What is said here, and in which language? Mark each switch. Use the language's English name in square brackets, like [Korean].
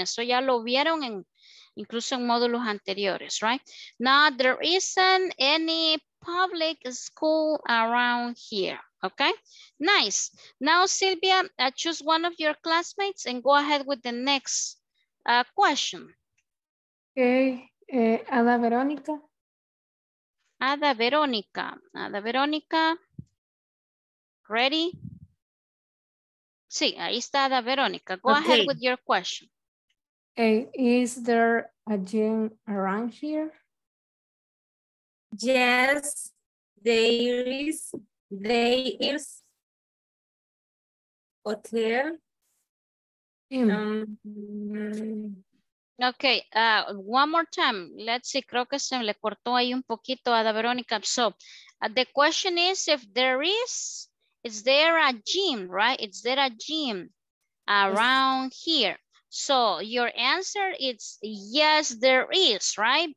[Spanish] Eso ya lo vieron en, incluso en módulos anteriores, right? [English] No, there isn't any public school around here. Okay, nice. Now, Silvia, choose one of your classmates and go ahead with the next question. Okay, Ada Veronica. Ada Veronica. Ada Veronica. Ready? Sí, ahí está Ada Veronica. Go ahead with your question. Is there a gym around here? Yes, there is. There is hotel. Okay, one more time. [Spanish] Let's see, creo que se le cortó ahí un poquito a Ada Veronica. [English] So the question is if there is there a gym, right? Is there a gym around here? So your answer is yes, there is, right?